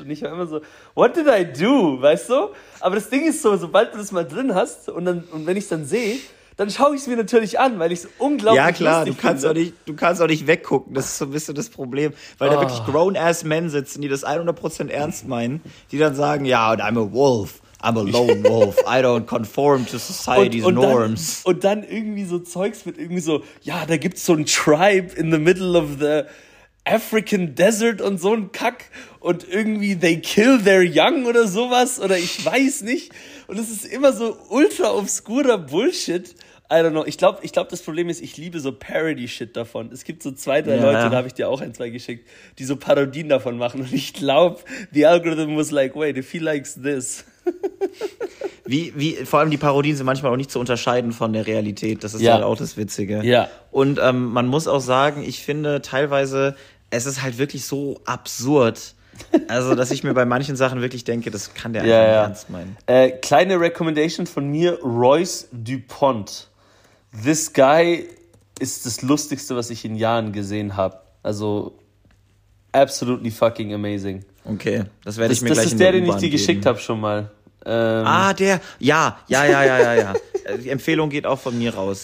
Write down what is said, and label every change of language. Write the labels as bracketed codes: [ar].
[de] Und ich war immer so, [en] what did I do? [de] Weißt du? Aber das Ding ist so, sobald du das mal drin hast und wenn ich es dann sehe, dann schaue ich es mir natürlich an, weil ich es unglaublich lustig finde. Ja klar, du kannst auch nicht weggucken. Das ist so ein bisschen das Problem. Weil da wirklich [en] grown-ass men [de] sitzen, die das 100% ernst meinen, die dann sagen, ja, [en] yeah, I'm a wolf. I'm a lone wolf. I don't conform to society's [de] und [en] norms. [de] Und dann irgendwie so Zeugs mit irgendwie so, ja, da gibt's so ein [en] tribe in the middle of the African Desert [de] und so ein Kack und irgendwie [en] they kill their young [de] oder sowas oder ich weiß nicht und es ist immer so ultra obskurer Bullshit. [en] I don't know. [de] Ich glaube, das Problem ist, ich liebe so Parody-Shit davon. Es gibt so zwei, drei Leute, da habe ich dir auch ein, zwei geschickt, die so Parodien davon machen und ich glaube, [en] the algorithm was like, wait, if he likes this. [de] Wie vor allem die Parodien sind manchmal auch nicht zu unterscheiden von der Realität. Das ist halt auch das Witzige. Ja. Und man muss auch sagen, ich finde teilweise, es ist halt wirklich so absurd, also dass ich mir bei manchen Sachen wirklich denke, das kann der einfach nicht ernst meinen. Kleine Recommendation von mir, Royce DuPont. [en] This guy [de] ist das Lustigste, was ich in Jahren gesehen habe. Also [en] absolutely fucking amazing. [de] Okay, das werde ich mir gleich in der U-Bahn geben. Das ist der, den ich dir geschickt habe schon mal. Ja. Die Empfehlung geht auch von mir raus.